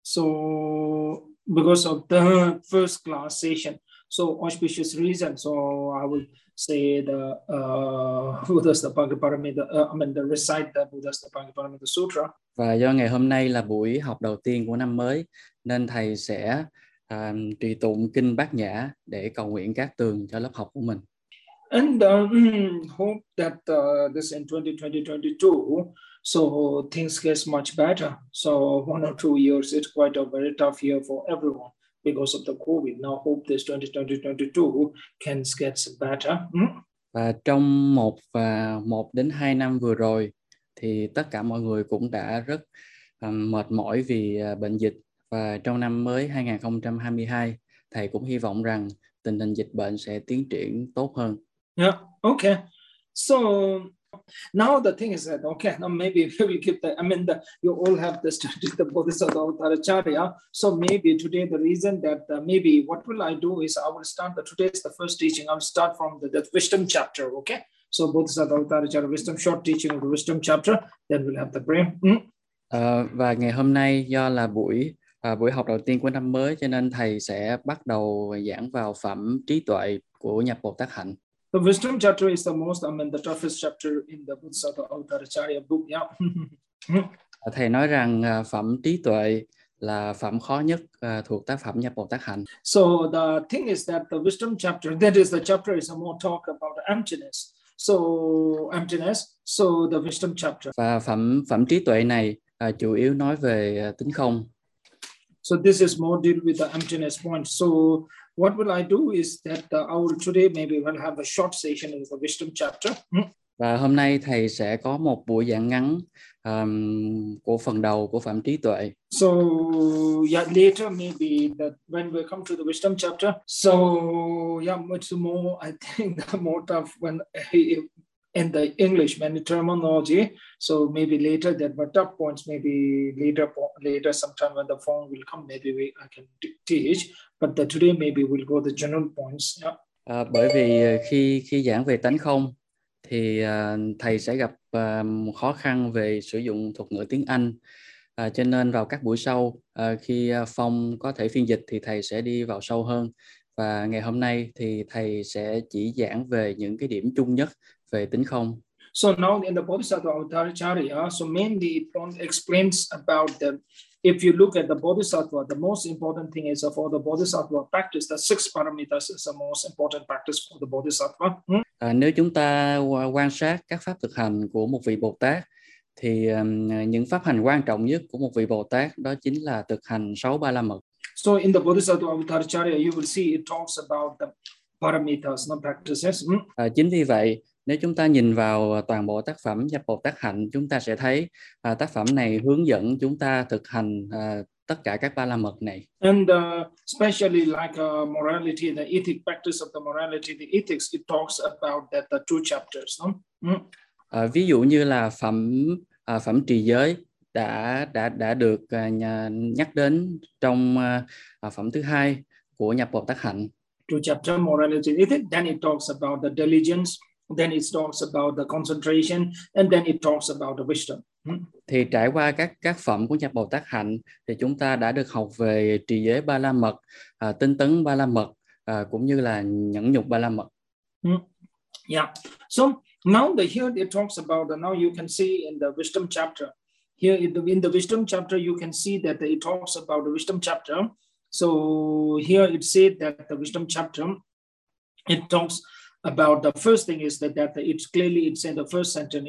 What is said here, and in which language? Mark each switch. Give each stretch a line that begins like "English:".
English: So because of the first class session, so auspicious reason, so I will say the Buddhist Prajnaparamita, I mean the recite the Buddhist Prajnaparamita Sutra.
Vietnamese: Và do ngày hôm nay là buổi học đầu tiên của năm mới nên thầy sẽ trì tụng kinh Bát Nhã để cầu nguyện cát tường cho lớp học của mình.
English: And hope that this in 2022, so things gets much better. So 1 or 2 years, it's quite a very tough year for everyone because of the COVID. Now hope this 2022 can gets better.
Vietnamese: Và trong một đến 2 năm vừa rồi thì tất cả mọi người cũng đã rất mệt mỏi vì bệnh dịch, và trong năm mới 2022 thầy cũng hy vọng rằng tình hình dịch bệnh sẽ tiến triển tốt hơn.
English: So now the thing is that now maybe we will keep the, I mean the, you all have the study the Bodhisattva Acharya. So maybe today the reason that maybe what will I do is I will start the today's the first teaching. I'll start from the wisdom chapter. So Bodhisattva Acharya wisdom short teaching of the wisdom chapter. Then we'll have the prayer.
Vietnamese: Và ngày hôm nay do là buổi buổi học đầu tiên của năm mới, cho nên thầy sẽ bắt đầu giảng vào phẩm trí tuệ của nhập Bồ Tát hạnh.
English: The wisdom chapter is the most, I mean, the toughest chapter in the Bodhisattva Avatarachaya book.
Vietnamese: Thầy nói rằng phẩm trí tuệ là phẩm khó nhất thuộc tác phẩm nhập Bồ Tát hạnh.
English: So the thing is that the wisdom chapter, that is the chapter is a more talk about emptiness. So emptiness, so the wisdom chapter.
Vietnamese: Và phẩm phẩm trí tuệ này chủ yếu nói về tính không.
English: So this is more deal with the emptiness point. So what will I do is that I will today maybe we'll have a short session in the wisdom chapter.
Vietnamese: Và hôm nay thầy sẽ có một buổi giảng ngắn của phần đầu của phẩm trí tuệ.
English: So yeah, later maybe that when we come to the wisdom chapter. So yeah, much more I think the more tough when in the English many terminology. So maybe later that but tough points maybe later sometime when the form will come maybe I can teach. But the today maybe we'll go the general points.
Vietnamese: Bởi vì khi giảng về tánh không thì thầy sẽ gặp khó khăn về sử dụng thuật ngữ tiếng Anh, cho nên vào các buổi sau khi Phong có thể phiên dịch thì thầy sẽ đi vào sâu hơn, và ngày hôm nay thì thầy sẽ chỉ giảng về những cái điểm chung nhất về tính không.
English: So now in the Bodhisattva Avatarachaya, so mainly it explains about the if you look at the Bodhisattva, the most important thing is for the Bodhisattva practice, the six paramitas is the most important practice for the Bodhisattva.
Vietnamese: Nếu chúng ta quan sát các pháp thực hành của một vị Bồ Tát thì những pháp hành quan trọng nhất của một vị Bồ Tát đó chính là thực hành 6 ba la mật.
English: So in the Bodhisattva Avatarachaya, you will see it talks about the paramitas, not practices.
Vietnamese: Chính vì vậy, nếu chúng ta nhìn vào toàn bộ tác phẩm nhập Bồ Tát hạnh, chúng ta sẽ thấy tác phẩm này hướng dẫn chúng ta thực hành tất cả các ba la mật này.
English: And especially like morality, the ethic practice of the morality, the ethics, it talks about that the 2 chapters.
Vietnamese: Ví dụ như là phẩm phẩm trì giới đã được nhắc đến trong phẩm thứ hai của nhập Bồ Tát hạnh.
English: 2 chapter morality, ethic, then it talks about the diligence. Then it talks about the concentration, and then it talks about the wisdom.
Vietnamese: Thì trải qua các phẩm của Nhật Bồ Tát Hạnh, thì chúng ta đã được học về trì giới ba la mật, tinh tấn ba la mật, cũng như là nhẫn nhục ba la mật.
English: Yeah. So now the here it talks about the now you can see in the wisdom chapter. Here in the wisdom chapter, you can see that it talks about the wisdom chapter. So here it said that the wisdom chapter, it talks about the first thing is that it's clearly it's in the first sentence.